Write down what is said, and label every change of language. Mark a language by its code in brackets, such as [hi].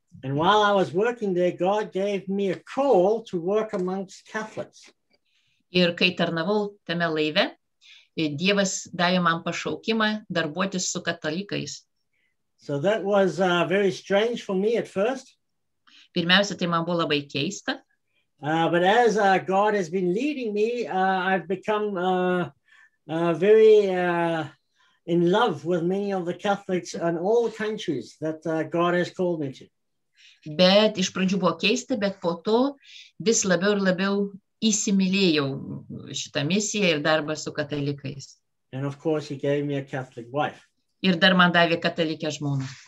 [en] And while I was working there, God gave me a call to work amongst Catholics. [lt] Ir kai tarnavau tame laive, Dievas davė man pašaukimą darbuotis su katalikais. [en] So that was very strange for me at first. [lt] Pirmiausia, tai man buvo labai keista. [en] But as God has been leading me, I've become very in love with many of the Catholics and all the countries that God has called me to. [lt] Bet iš pradžių buvo keista, bet po to vis labiau ir labiau įsimylėjau šitą misiją ir darbą su katalikais. [en] And of course, he gave me a Catholic wife. [lt] Ir dar man davė katalikę žmoną.